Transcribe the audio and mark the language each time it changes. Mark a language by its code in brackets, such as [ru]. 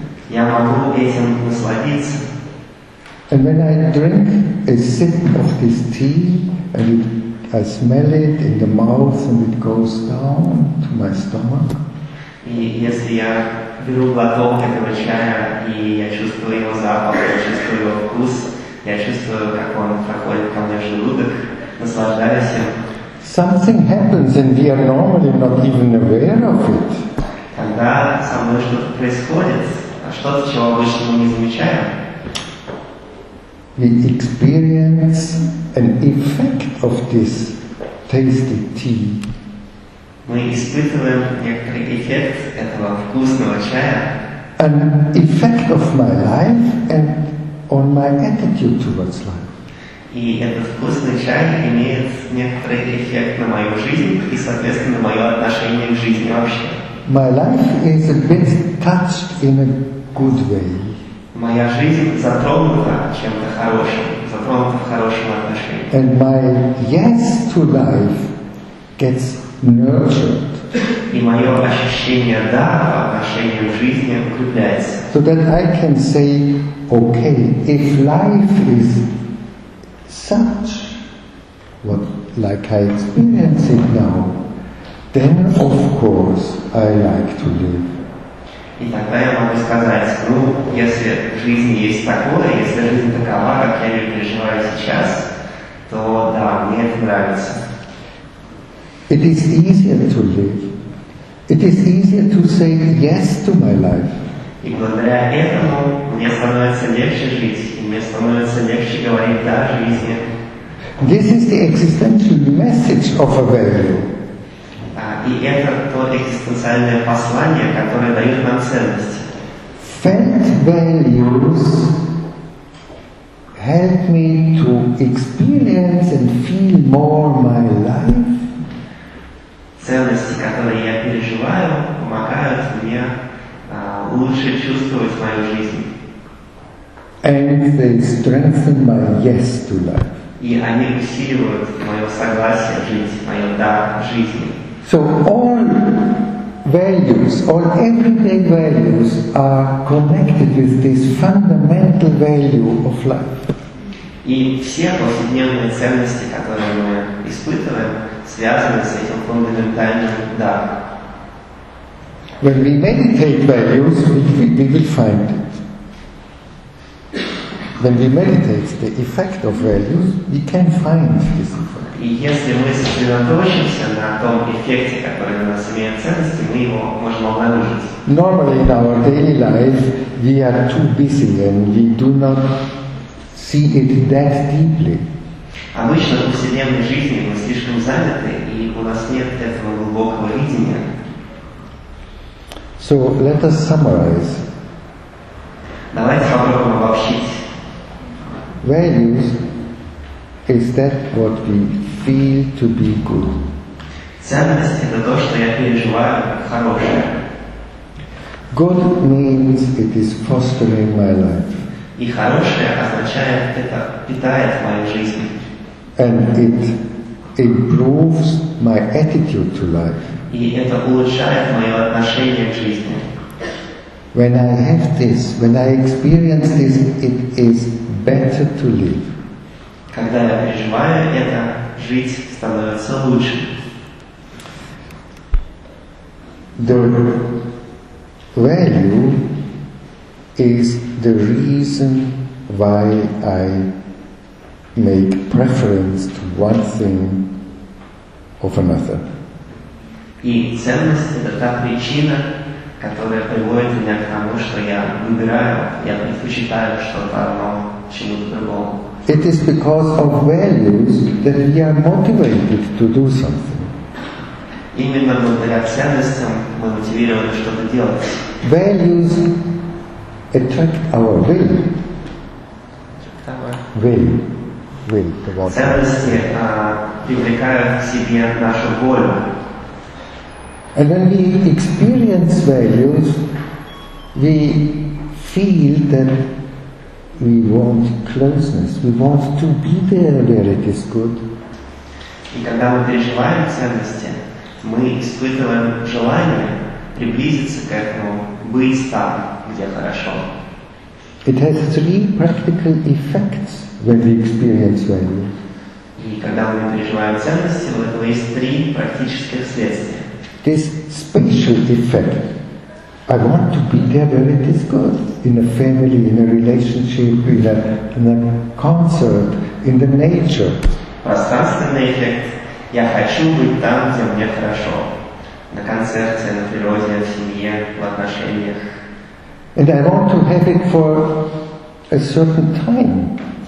[ru] Я могу этим насладиться. [en] And when I drink a sip of this tea, and it, I smell it in the mouth, and it goes down to my stomach. [ru] И если я беру глоток этого чая, и я чувствую его запах, я чувствую его вкус, я чувствую, как он проходит ко мне в желудок, наслаждаюсь им. [en] Something happens, and we are normally not even aware of it. [ru] Тогда со мной что-то происходит, а что-то, чего обычно не замечаю. [en] We experience an effect of this tasty tea. [ru] Мы испытываем некоторый эффект этого вкусного чая. [en] An effect of my life and on my attitude towards life. [ru] И этот вкусный чай имеет некоторый эффект на мою жизнь и, соответственно, мое отношение к жизни вообще. [en] My life is a bit touched in a good way. [ru] Моя жизнь затронута чем-то хорошим, затронута в хорошем отношении. [en] And my yes to life gets nurtured. [ru] И мое ощущение «да» по отношению к жизни укрепляется. [en] So that I can say, okay, if life is such, what, like I experience it now, then of course I like to live. [ru] И тогда я могу сказать, ну, если в жизни есть такое, если жизнь такова, как я ее переживаю сейчас, то да, мне это нравится. [en] It is easier to live. It is easier to say yes to my life. [ru] И благодаря этому мне становится легче жить, и мне становится легче говорить «да» жизни. [en] This is the existential message of Aurelio. [ru] И это то экзистенциальное послание, которое дает нам ценности. [en] Felt values help me to experience and feel more my life. [ru] Ценности, которые я переживаю, помогают мне лучше чувствовать мою жизнь. [en] And they strengthen my yes to life. [ru] И они усиливают мое согласие жить, мое да жизни. [en] So all values, all everyday values are connected with this fundamental value of life. [ru] И все повседневные ценности, которые мы испытываем, связаны с этим фундаментальным «да». [en] When we meditate values, we will find it. When we meditate the effect of values, we can find this effect. [ru] И если мы сосредоточимся на том эффекте, который у нас имеет ценности, мы его можем обнаружить. [en] Normally in our daily life we are too busy and we do not see it that deeply. [ru] Обычно в повседневной жизни мы слишком заняты, и у нас нет этого глубокого видения. [en] So let us summarize. [ru] Давайте попробуем обобщить. [en] Values is that what we feel to be good. [ru] Ценность — это то, что я переживаю хорошее. [en] Good means it is fostering my life. [ru] И хорошее означает, это питает мою жизнь. [en] And it improves my attitude to life. [ru] И это улучшает мое отношение к жизни. [en] When I have this, when I experience this, it is better to live. [ru] Когда я переживаю это, жить становится лучше. [en] The value is the reason why I make preference to one thing over another. [ru] И ценность — это та причина, которая приводит меня к тому, что я выбираю, я предпочитаю что-то одно чему-то другому. [en] It is because of values that we are motivated to do something. [ru] Именно благодаря ценностям мы мотивированы что-то делать. [en] Values attract our will. Will. [ru] Ценности привлекают к себе нашу волю. [en] And when we experience values, we feel that we want closeness, we want to be there where it is good. [ru] И когда мы переживаем ценности, мы испытываем желание приблизиться к этому, быть там, где хорошо. [en] It has three practical effects when we experience value. [ru] И когда мы переживаем ценности, у этого есть три практических следствия. [en] This spatial effect. I want to be there where it is good, in a family, in a relationship, in a concert, in the nature. [ru] Пространственный эффект. Я хочу быть там, где мне хорошо. На концерте, на природе, в семье, в отношениях. [en] And I want to have it for a certain time.